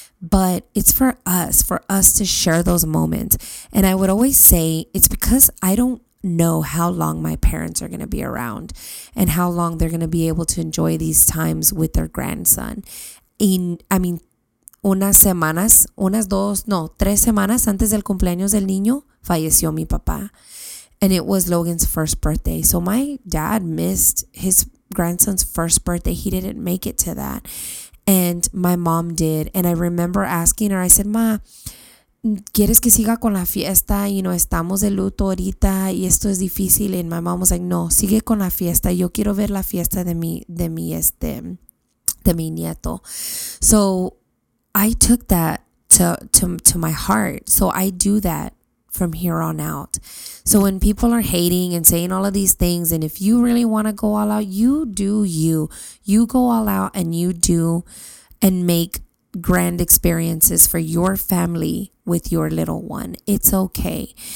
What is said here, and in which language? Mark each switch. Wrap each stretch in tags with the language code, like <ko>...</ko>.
<en>But it's for us to share those moments. And I would always say it's because I don't know how long my parents are going to be around and how long they're going to be able to enjoy these times with their grandson.</en> <es>Tres semanas antes del cumpleaños del niño, falleció mi papá.</es> <en>And it was Logan's first birthday. So my dad missed his grandson's first birthday. He didn't make it to that. And my mom did. And I remember asking her, I said, Ma,</en> <es>¿quieres que siga con la fiesta?</es> <en>You know,</en> <es>estamos de luto ahorita y esto es difícil.</es> <en>And my mom was like,</en> <es>no, sigue con la fiesta. Yo quiero ver la fiesta de mi nieto.</es> <en>So I took that to my heart. So I do that from here on out. So when people are hating and saying all of these things, and if you really want to go all out, you do you. You go all out and you do and make grand experiences for your family with your little one. It's okay.</en>